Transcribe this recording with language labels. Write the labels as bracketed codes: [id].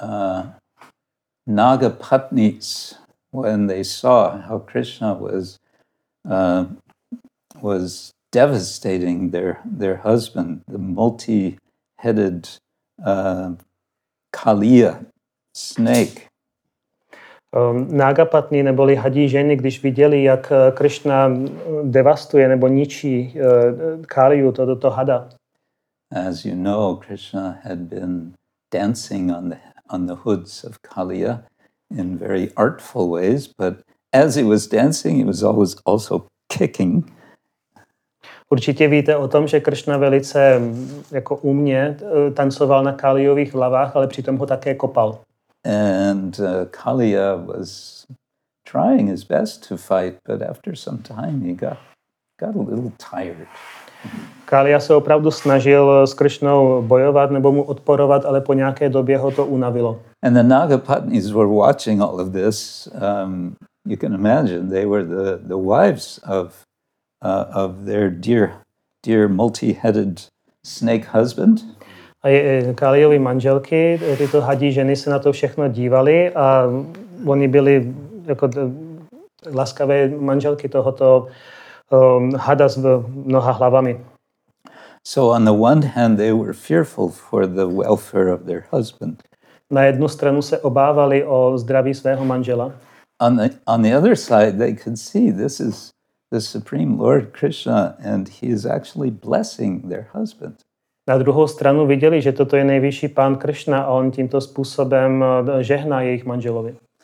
[en] The Nagapatnis, when they saw how Krishna was devastating their husband, the multi-headed Kaliya snake. [cs] Nagapatni neboli hadí ženy, když viděli, jak Krishna devastuje nebo ničí Kaliu, toto hada. [en] As you know, Krishna had been dancing on the hoods of Kaliya in very artful ways, but as he was dancing, he was always also kicking. [cs] Určitě víte o tom, že Krishna velice jako umně tancoval na Kaliových hlavách, ale přitom ho také kopal. [en] And Kaliya was trying his best to fight, but after some time he got a little tired. [cs] Kaliya se opravdu snažil s Krishnou bojovat nebo mu odporovat, ale po nějaké době ho to unavilo. [en] And the Nagapatnis were watching all of this. You can imagine they were the wives of their dear multi-headed snake husband. [cs] A Kaliovy manželky, tyto hadí ženy se na to všechno dívaly a oni byli jako laskavé manželky tohoto hada s mnoha hlavami. [en] So on the one hand they were fearful for the welfare of their husband. [cs] Na jednu stranu se obávali o zdraví svého manžela. [en] On the other side they could see this is the Supreme Lord Krishna, and he is actually blessing their husband. [cs] Na druhou stranu viděli, že toto je nejvyšší pán Krishna a on tímto způsobem žehná jejich manželovi.